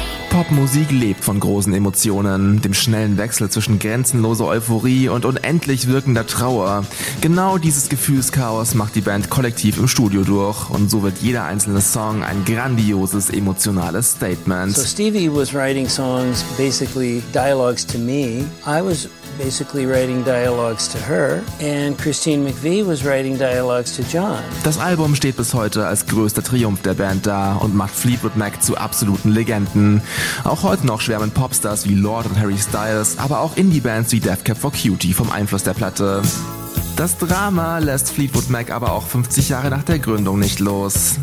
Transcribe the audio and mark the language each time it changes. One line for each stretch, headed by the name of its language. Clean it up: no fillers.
German: Popmusik lebt von großen Emotionen, dem schnellen Wechsel zwischen grenzenloser Euphorie und unendlich wirkender Trauer. Genau dieses Gefühlschaos macht die Band kollektiv im Studio durch und so wird jeder einzelne Song ein grandioses emotionales Statement.
English: So Stevie was writing songs, basically dialogues to me. I was basically writing dialogues to her and Christine McVie was writing dialogues to John.
German: Das Album steht bis heute als größter Triumph der Band da und macht Fleetwood Mac zu absoluten Legenden. Auch heute noch schwärmen Popstars wie Lord und Harry Styles, aber auch Indie-Bands wie Death Cab for Cutie vom Einfluss der Platte. Das Drama lässt Fleetwood Mac aber auch 50 Jahre nach der Gründung nicht los.